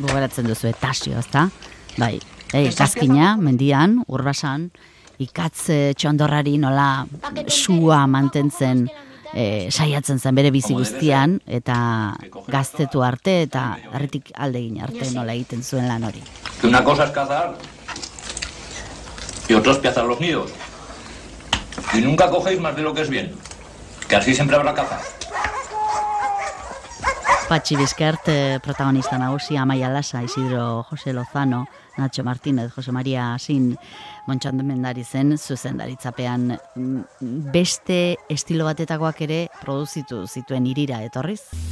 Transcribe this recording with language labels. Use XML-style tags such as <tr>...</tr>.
<eu>Gogoratzen duzu, Tazio, ezta? Bai, Kaskina, mendian, Urbasan, Ikatz Txondorrari nola sua mantentzen saiatzen zen bere bizi guztian eta gaztetu arte eta herritik alde egin arte nola egiten zuen lan hori.</eu> <es>Una cosa es cazar y otros piazar los nidos. Y nunca cogéis más de lo que es bien, que así siempre habrá caza.</es> <eu>Patxi Bizkert, protagonista nagusi, Amaia Lasa, Isidro José Lozano, Nacho Martínez, José María Asín, Montxando Mendarizen, zuzendaritzapean beste estilo batetakoak ere produzitu zituen irira etorriz.</eu>